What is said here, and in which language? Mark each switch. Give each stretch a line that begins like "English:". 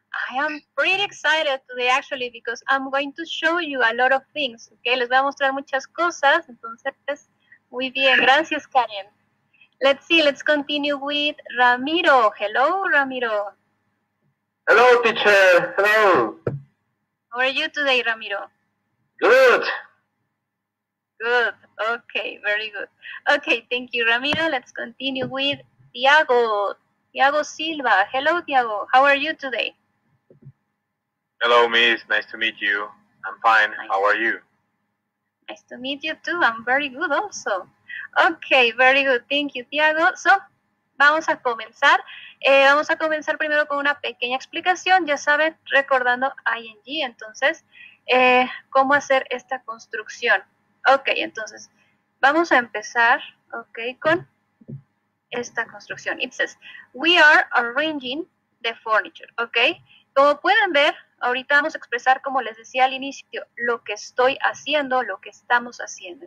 English: I am pretty excited today, actually, because I'm going to show you a lot of things, okay?
Spanish: Les voy a mostrar muchas cosas, entonces, muy bien, gracias, Karen.
English: Let's see, let's continue with Ramiro. Hello, Ramiro. Hello, teacher, hello. How are you today, Ramiro? Good. Good, okay, very good. Okay, thank you, Ramiro. Let's continue with Thiago. Thiago Silva. Hello, Thiago. How are you today? Hello, Miss. Nice to meet you. I'm fine. Nice. How are you? Nice to meet you, too. I'm very good, also. Okay, very good. Thank you, Thiago.
Spanish: So, vamos a comenzar. Vamos a comenzar primero con una pequeña explicación. Ya saben, recordando ING, entonces, cómo hacer esta construcción. Okay, entonces, vamos a empezar, con esta construcción.
English: It says, we are arranging the furniture, okay?
Spanish: Como pueden ver, ahorita vamos a expresar, como les decía al inicio, lo que estoy haciendo, lo que estamos haciendo.